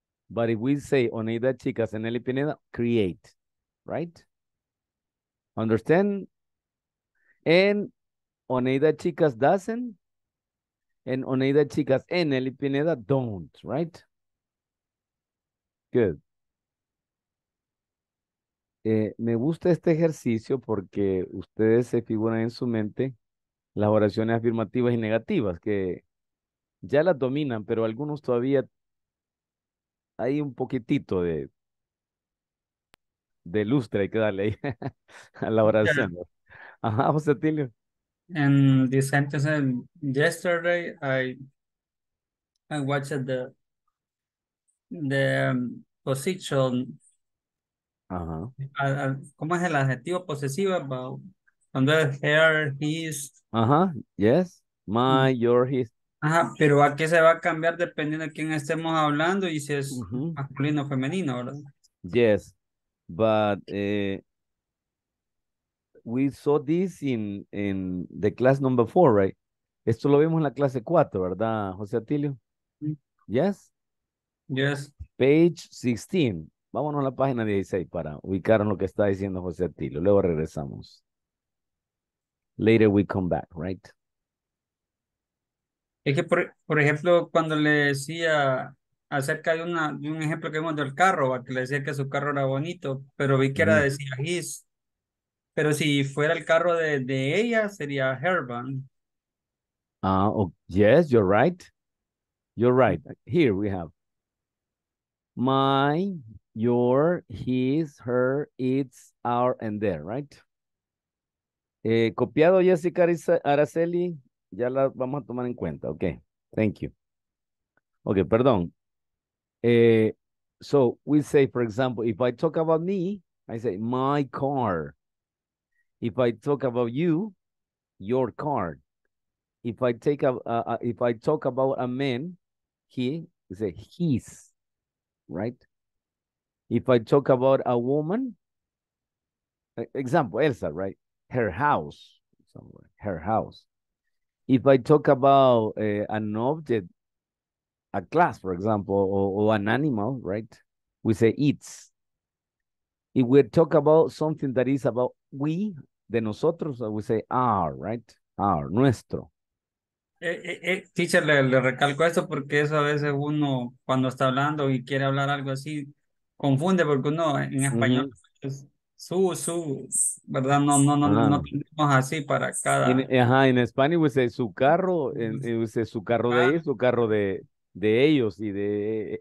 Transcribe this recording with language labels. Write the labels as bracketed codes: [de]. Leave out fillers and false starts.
[en] But if we say Oneida Chicas and Nelly Pineda, create, right? Understand? And Oneida Chicas doesn't, and Oneida Chicas and Nelly Pineda don't, right? Good. [es] Me gusta este ejercicio porque ustedes se figuran en su mente las oraciones afirmativas y negativas, que ya las dominan, pero algunos todavía hay un poquitito de lustre hay que darle ahí a la oración. Yeah. Ajá, José Tilio. [en] En the sentence, yesterday I watched the position. Ajá. [es] ¿Cómo es el adjetivo posesivo? Cuando es [en] her, his. Ajá, yes, my, your, his. [es] Ajá, pero ¿a qué se va a cambiar dependiendo de quién estemos hablando y si es uh-huh. masculino o femenino, verdad? [en] Yes, but we saw this in the class number 4, right? [es] Esto lo vimos en la clase 4, ¿verdad, José Atilio? [en] Yes? Yes. Page 16. [es] Vámonos a la página 16 para ubicar en lo que está diciendo José Atilio. Luego regresamos. [en] Later we come back, right? [es] Es que, por ejemplo, cuando le decía acerca de un ejemplo que vimos del carro, que le decía que su carro era bonito, pero vi que era decía his. Pero si fuera el carro de ella, sería Herban. [en] Yes, you're right. You're right. Here we have my, your, his, her, its, our, and their, right? [es] Copiado [en] Jessica Araceli, [es] ya la vamos a tomar en cuenta. Okay, [en] thank you. [es] Okay, perdón. [en] So we say, for example, if I talk about me, I say my car. If I talk about you, your car. If I talk about a man, he, we say his, right? If I talk about a woman, example, Elsa, right? Her house, somewhere, her house. If I talk about an object, a class, for example, or an animal, right? We say its. If we talk about something that is about we, [es] de nosotros, [en] we say our, right? Our, [es] nuestro. Teacher, le recalco esto porque eso a veces uno cuando está hablando y quiere hablar algo así confunde porque uno en español es su, ¿verdad? No tenemos así para cada. En español [en] we say [es] su carro, we say su carro de ellos, su carro de ellos y de.